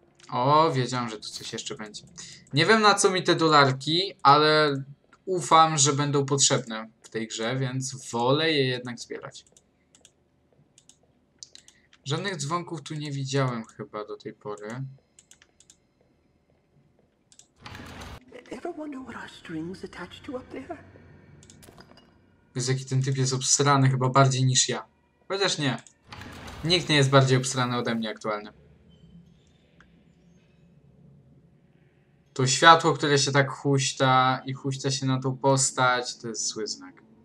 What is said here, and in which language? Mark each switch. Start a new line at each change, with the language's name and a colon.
Polish: O, wiedziałem, że tu coś jeszcze będzie. Nie wiem, na co mi te dolarki, ale ufam, że będą potrzebne w tej grze, więc wolę je jednak zbierać. Żadnych dzwonków tu nie widziałem chyba do tej pory.
English: Ever wonder what our strings attached to up there?
Polish: Wiesz, jaki ten typ jest obsrany chyba bardziej niż ja. Chociaż nie. Nikt nie jest bardziej obsrany ode mnie aktualnie. To światło, które się tak huśta i huśta się na tą postać, to jest zły znak.